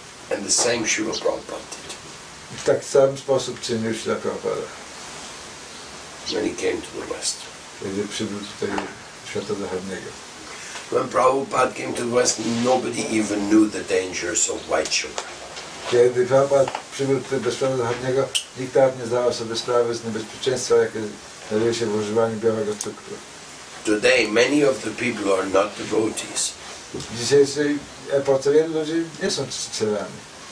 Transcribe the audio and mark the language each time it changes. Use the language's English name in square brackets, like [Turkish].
[English] And the same Śrīla Prabhupāda did. [Polish] W taki sam sposób czynił Śrīla Prabhupāda. [English] When he came to the West. [Polish] Kiedy przybył tutaj świata zachodniego. [English] When Prabhupāda came to the West, nobody even knew the dangers of white sugar. [Polish] Kiedy Prabhupāda przybył tutaj do świata zachodniego, nikt nawet nie zdawał sobie sprawy z niebezpieczeństwa, jakie znajduje się w używaniu białego cukru. [English] Today, many of the people are not devotees. [Polish] W dzisiejszej epoce wielu ludzi nie są czcicielami.